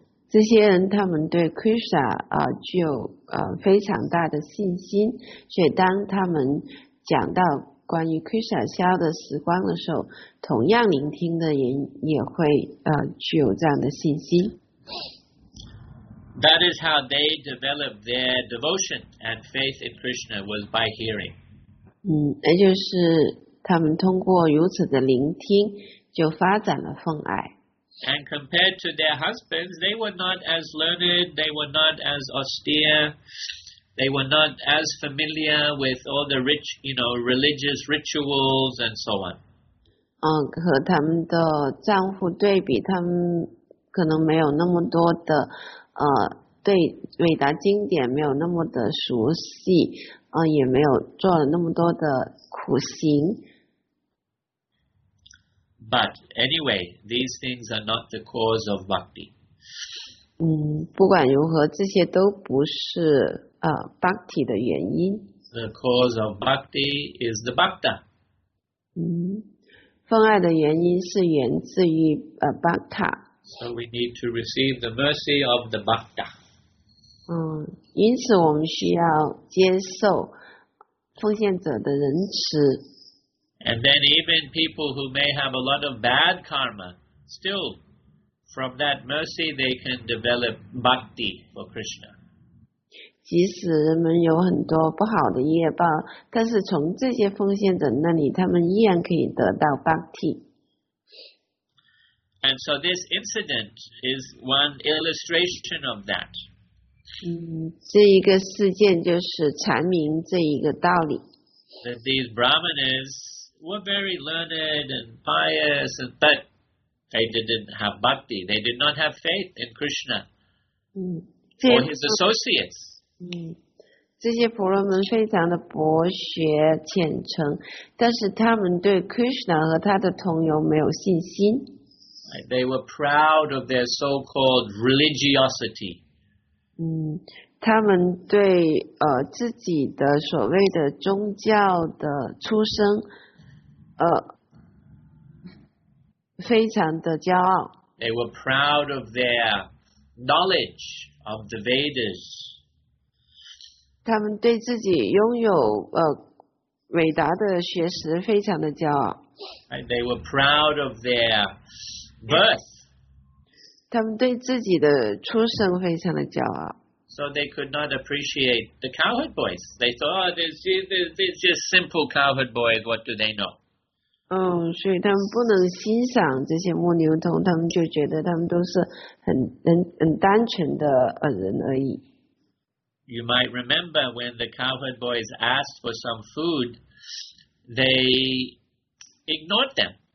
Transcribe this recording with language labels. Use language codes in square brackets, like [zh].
[zh] 这些人他们对 Krishna 具有非常大的信心，所以当他们讲到关于 Krishna 消的时光的时候，同样聆听的人也会具有这样的信心。 [en] That is how they developed their devotion and faith in Krishna was by hearing. [zh] 也就是他们通过如此的聆听，就发展了奉爱。 [en] And compared to their husbands, they were not as learned, they were not as austere, they were not as familiar with all the rich, you know, religious rituals and so on. [zh] 和他们的丈夫对比，他们可能没有那么多的，对伟大经典没有那么的熟悉，也没有做了那么多的苦行。 [en] But anyway, these things are not the cause of bhakti. [zh] 不管如何，这些都不是bhakti 的原因。 [en] The cause of bhakti is the bhakta. [zh] 奉爱的原因是源自于bhakta. [en] So we need to receive the mercy of the bhakta. [zh] 因此我们需要接受奉献者的仁慈。 [en] And then even people who may have a lot of bad karma, still, from that mercy, they can develop bhakti for Krishna. [zh] 即使人们有很多不好的业报，但是从这些奉献者那里，他们依然可以得到 bhakti. [en] And so this incident is one illustration of that. [zh] 这一个事件就是阐明这一个道理。 [en] That these brahmanas were very learned and pious, but they didn't have bhakti. They did not have faith in Krishna or his associates. [zh] 这些婆罗门非常的博学虔诚，但是他们对 Krishna 和他的同友没有信心。 [en] They were proud of their so-called religiosity. [zh] 他们对自己的所谓的宗教的出生非常的骄傲。 [en] They were proud of their knowledge of the Vedas. [zh] 他们对自己拥有伟大的学识非常的骄傲。 [en] And they were proud of their birth. [zh] 他们对自己的出生非常的骄傲。 [en] So they could not appreciate the cowherd boys. They thought, oh, they're just simple cowherd boys. What do they know? [zh] 所以他们不能欣赏这些牧牛童，他们就觉得他们都是很单纯的人而已。 [en] You might remember when the cowherd boys asked for some food, they ignored them.